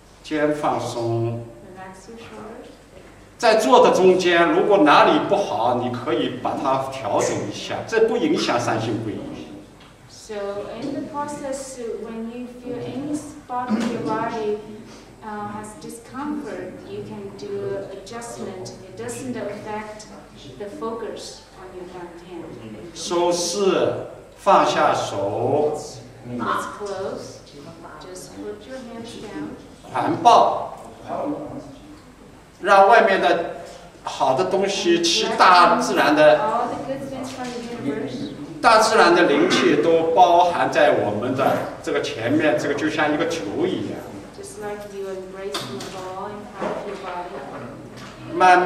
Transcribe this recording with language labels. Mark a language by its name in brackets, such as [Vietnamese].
[Chinese] 腰放松，肩放松。在做的中间，如果哪里不好，你可以把它调整一下，这不影响三性归一。 [English] So in the process, when you feel any spot in your body, has discomfort, you can do adjustment. It doesn't affect the focus on your front hand. [Chinese] So, 是, 放下手, [English] it's close. Just put your hands down. [Chinese] 盘抱, 让外面的, 好的东西, 吃大自然的, [English] all the good things from the universe. [Chinese] 大自然的灵气都包含在我们的这个前面，这个就像一个球一样。 [English] Just like you embrace the ball in half your body.